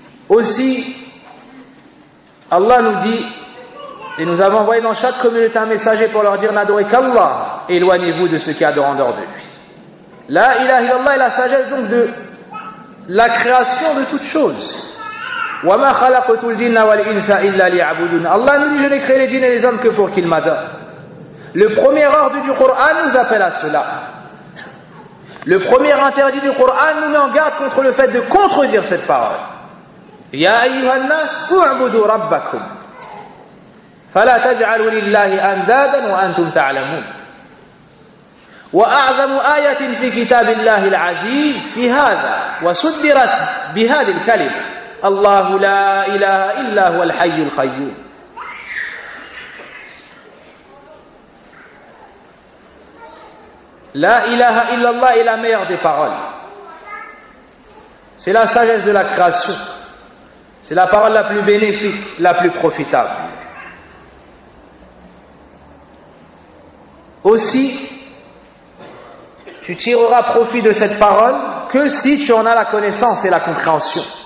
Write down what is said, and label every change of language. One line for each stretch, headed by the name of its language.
French: Aussi, Allah nous dit, Et nous avons envoyé dans chaque communauté un messager pour leur dire « N'adorez qu'Allah, éloignez-vous de ceux qui adorent en dehors de lui. » La ilaha illallah est la sagesse donc de la création de toutes choses. «
Arabic: Wa ma khalaqtul jinna wal insa illa liya'budun
French: » Allah nous dit « Je n'ai créé les djinns et les hommes que pour qu'ils m'adorent. » Le premier ordre du Coran nous appelle à cela. Le premier interdit du Coran nous met en garde contre le fait de contredire cette parole.
Arabic: « Ya ayyuhan nas, u'budu rabbakum » فَلَا تَجْعَلُوا لِلَّهِ أَنْدَادًا وَأَنْتُمْ تَعْلَمُونَ وَأَعْظَمُ آيَةٍ فِي كِتَابِ اللَّهِ الْعَزِيزِ فِي هَذَا وَسُدِّرَتْ بِهَذِي الْكَلِمَةِ اللَّهُ لَا إِلَهَ إِلَّا هُوَ الْحَيُّ الْقَيُّومِ لَا إِلَهَ إِلَّا اللَّهِ
French: est la meilleure des paroles. C'est la sagesse de la création. C'est la parole la plus bénéfique, la plus profitable. Aussi, tu tireras profit de cette parole que si tu en as la connaissance et la compréhension.